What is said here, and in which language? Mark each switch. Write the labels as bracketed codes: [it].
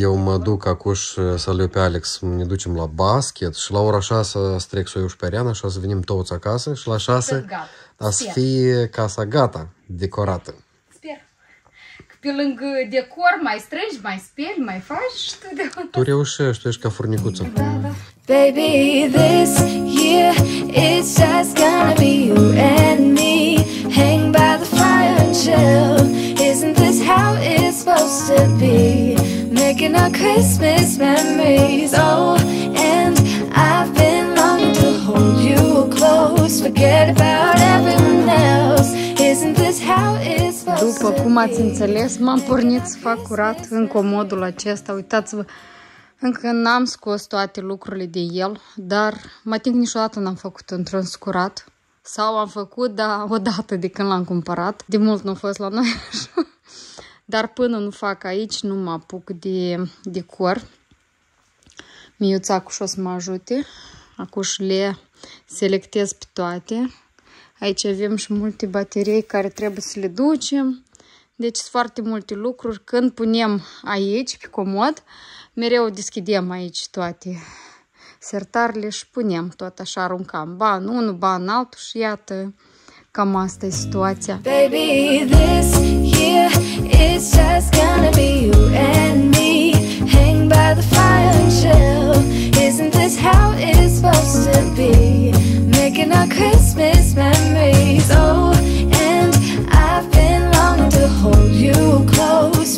[ro] Eu mă duc acuși să leu pe Alex, ne ducem la basket și la ora 6 să trec să o iau și pe Ariana și o să venim toți acasă și la 6 a să fie casa gata, decorată. Pe lângă decor, mai strângi, mai speli, mai faci și tu de tu reușești, tu ești ca furnicuță. [en] Baby, this year it's just gonna be you and me. Hang by the fire and chill. Isn't this how it's supposed to be? Making our Christmas memories. Oh, and I've been longing to hold you close. Forget about everyone else. Isn't this how it's... [ro] După cum ați înțeles, m-am pornit să fac curat în comodul acesta. Uitați-vă, încă n-am scos toate lucrurile de el, dar mă ating niciodată n-am făcut într-un scurat. Sau am făcut, dar odată de când l-am cumpărat. De mult nu a fost la noi așa. Dar până nu fac aici, nu mă apuc de decor. Miuța acuși o să mă ajute. Acuși le selectez pe toate. Aici avem și multe baterii care trebuie să le ducem. Deci sunt foarte multe lucruri. Când punem aici, pe comod, mereu deschidem aici toate sertarele și punem tot așa, aruncam ban unul, ban altul și iată, cam asta e situația. [en] Baby, this year it's just gonna be you and me. Hang by the fire and chill. Isn't this how it's supposed to be? Making our Christmas memories. Oh, and I've been longing to hold you close.